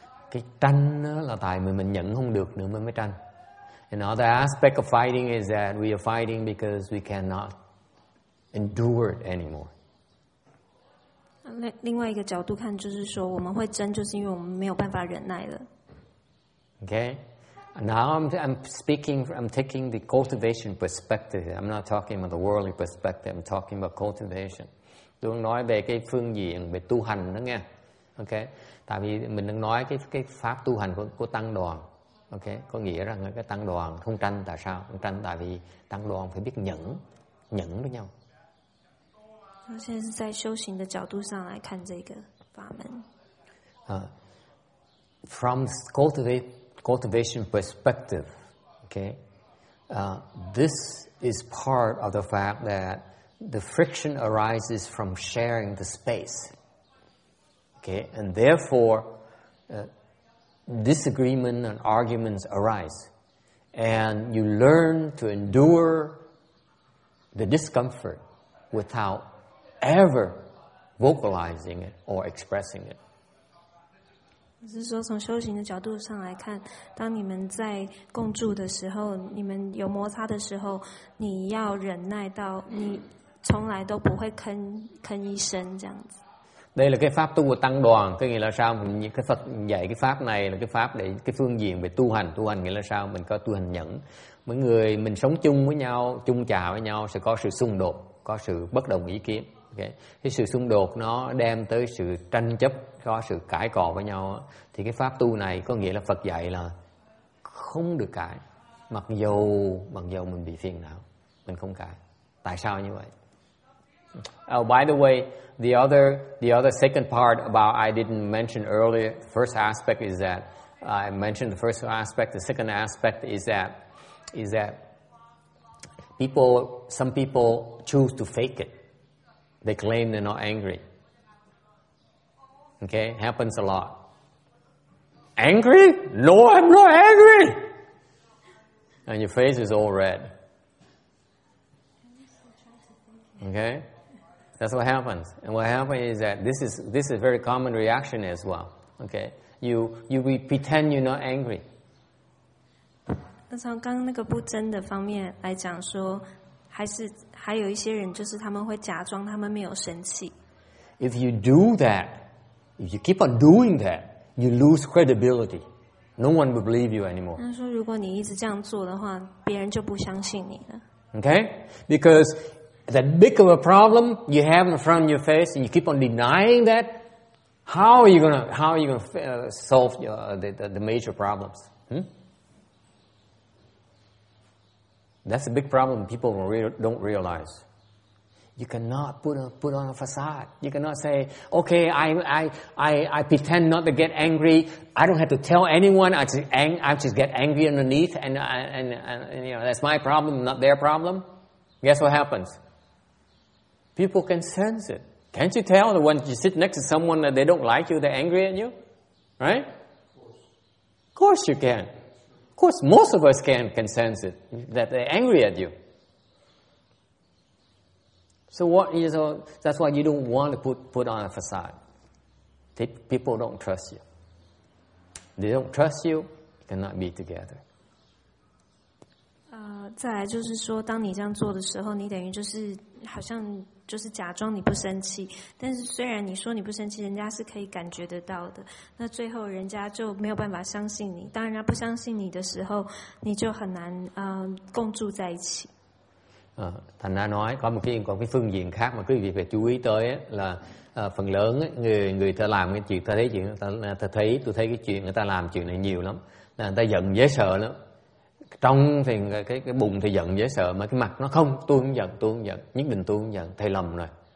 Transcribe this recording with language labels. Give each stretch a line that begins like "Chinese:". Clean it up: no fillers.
Vietnamese: Cái tranh là tại mình nhẫn không được nữa mới tranh.
English: Another aspect of fighting is that we are fighting because we cannot endure it anymore.
Chinese: 另外一个角度看，就是说我们会争，就是因为我们没有办法忍耐了。
English: Okay. Now I'm taking the cultivation perspective. I'm not talking about the worldly perspective. I'm talking about cultivation.
Vietnamese: Tôi đang nói về cái phương diện về tu hành đó nghe. Okay. Tại vì mình đang nói cái pháp tu hành của tăng đoàn. Okay. Có nghĩa rằng cái tăng đoàn không tranh tại sao? Không tranh tại vì tăng đoàn phải biết nhẫn với nhau. Tôi hiện tại đang theo hướng của tu hành để xem cái pháp môn.
English: From cultivation perspective, okay, this is part of the fact that the friction arises from sharing the space, okay, and therefore disagreement and arguments arise, and you learn to endure the discomfort without ever vocalizing it or expressing it.
Chinese: 是说从修行的角度上来看，当你们在共住的时候，你们有摩擦的时候，你要忍耐到你从来都不会吭一声这样子。
Vietnamese: Đây là cái pháp tu của tăng đoàn, có nghĩa là sao? Mình cái Phật dạy cái pháp này là cái pháp để cái phương diện về tu hành. Tu hành nghĩa là sao? Mình có tu hành nhẫn. Mỗi người mình sống chung với nhau, chung chà với nhau sẽ có sự xung đột, có sự bất đồng ý kiến. Okay. Cái sự xung đột nó đem tới sự tranh chấp, có sự cãi cọ với nhau. Thì cái pháp tu này có nghĩa là Phật dạy là không được cãi, mặc dù mình bị phiền não, mình không cãi. Tại sao như vậy?
English: Oh, by the way, the other second part about I didn't mention earlier, first aspect is that I mentioned the first aspect. The second aspect is that some people choose to fake it. They claim they're not angry. Okay, happens a lot. Angry? No, I'm not angry. And your face is all red. Okay. That's what happens. And what happens is that this is a very common reaction as well. Okay. You pretend you're not angry.
Chinese: 那从刚刚那个不争的方面来讲说，还有一些人就是他们会假装他们没有生气。
English: If you do that, if you keep on doing that, you lose credibility. No one will believe you anymore.
Chinese: 那说如果你一直这样做的话，别人就不相信你了。
English: Okay? Because that big of a problem you have in front of your face, and you keep on denying that. How are you gonna solve the major problems? That's a big problem people don't realize. You cannot put on a facade. You cannot say, okay, I pretend not to get angry. I don't have to tell anyone. I just get angry underneath, and you know that's my problem, not their problem. Guess what happens? People can sense it. Can't you tell that when you sit next to someone that they don't like you, they're angry at you? Right? Of course you can. Of course most of us can sense it, that they're angry at you. So what is all, that's why you don't want to put on a facade. People don't trust you. They don't trust you, you cannot be together.
Chinese: 再来就是说，当你这样做的时候，你等于就是好像就是假装你不生气，但是虽然你说你不生气，人家是可以感觉得到的。那最后人家就没有办法相信你。当人家不相信你的时候，你就很难共住在一起。
Vietnamese: Thành ra nói có một cái còn cái phương diện khác mà quý vị phải chú ý tới ấy, là phần lớn ấy, người ta làm cái chuyện tôi thấy cái chuyện người ta làm chuyện này nhiều lắm, là người ta giận dễ sợ lắm. Trong thì cái bụng thì giận dễ sợ, mà cái mặt nó không, tôi không giận, nhất định tôi không giận, thầy lầm rồi.